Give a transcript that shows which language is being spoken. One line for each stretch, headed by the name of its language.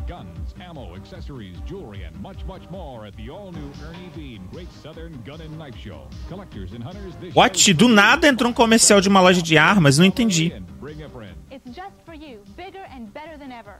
English: Guns, ammo, accessories, jewelry, and much, much more at the all-new Ernie Bean Great Southern Gun and Knife Show. Collectors and hunters this What?
Portuguese: Do nada entrou um comercial de uma loja de armas? Não entendi.
English: It's just for you, bigger and better than ever.